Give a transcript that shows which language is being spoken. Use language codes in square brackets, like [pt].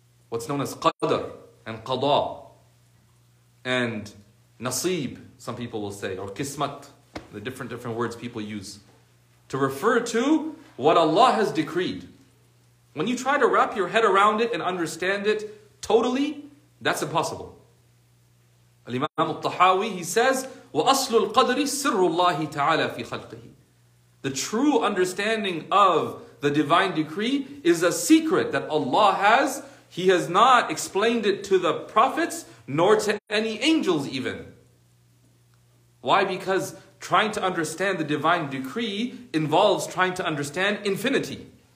[en] What's known as qadr and qada and nasib, some people will say, or kismat, the different words people use to refer to what Allah has decreed. When you try to wrap your head around it and understand it totally, that's impossible. Al-Imam al-Tahawi, he says, [ar] وَأَصْلُ الْقَدْرِ سِرُّ اللَّهِ تَعَالَى فِي خَلْقِهِ. [en] The true understanding of the divine decree is a secret that Allah has. He has not explained it to the prophets, nor to any angels even. Why? Because trying to understand the divine decree involves trying to understand infinity.